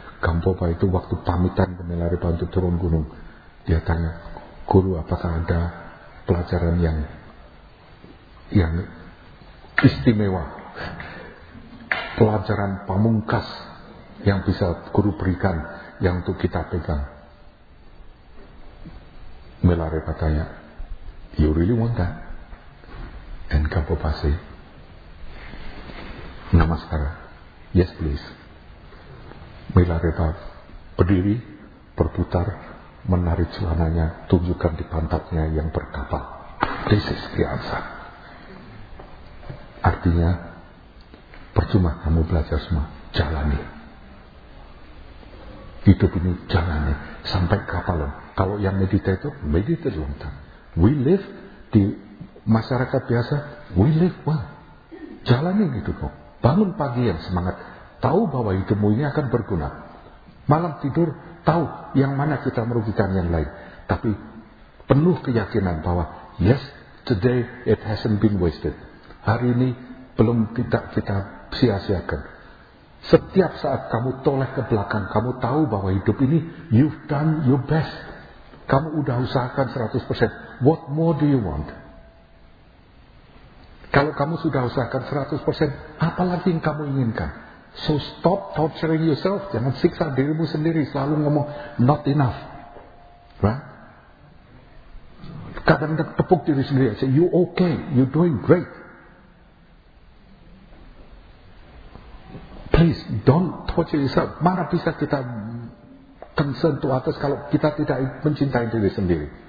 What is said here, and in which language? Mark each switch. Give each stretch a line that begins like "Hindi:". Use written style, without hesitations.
Indonesian: Gampopa itu waktu pamitan ke Milarepa untuk turun gunung, dia tanya, guru, apakah ada pelajaran yang istimewa, pelajaran pamungkas yang bisa guru berikan, yang untuk kita pegang?
English: Milarepa
Indonesian: tanya,
English: you really want that? And Gampopa say, namaskara, yes please.
Indonesian: Milarepa berdiri, berputar, menarik celananya, tunjukkan di pantatnya yang berkapal.
English: This is the answer.
Indonesian: Artinya, percuma kamu belajar semua, jalani. Hidup ini jalani, sampai kapal. Kalau yang meditator,
English: meditate long time. We live
Indonesian: di masyarakat biasa,
English: we live well.
Indonesian: Jalani hidupmu. Bangun pagi yang semangat, tahu bahwa hidupmu ini akan berguna. Malam tidur, tahu yang mana kita merugikan yang lain. Tapi penuh keyakinan bahwa
English: yes, today it hasn't been wasted.
Indonesian: Hari ini belum kita sia-siakan. Setiap saat kamu toleh ke belakang, kamu tahu bahwa hidup ini
English: you've done your best.
Indonesian: Kamu udah usahakan 100%.
English: What more do you want?
Indonesian: Kalau kamu sudah usahakan 100%, apalagi yang kamu inginkan?
English: So stop torturing yourself.
Indonesian: Jangan siksa dirimu sendiri. Selalu ngomong
English: not enough. Right?
Indonesian: Kadang-kadang tepuk diri sendiri.
English: Say you okay. You're doing great. Please don't torture yourself.
Indonesian: Mana bisa kita
English: concern to others
Indonesian: kalau kita tidak mencintai diri sendiri.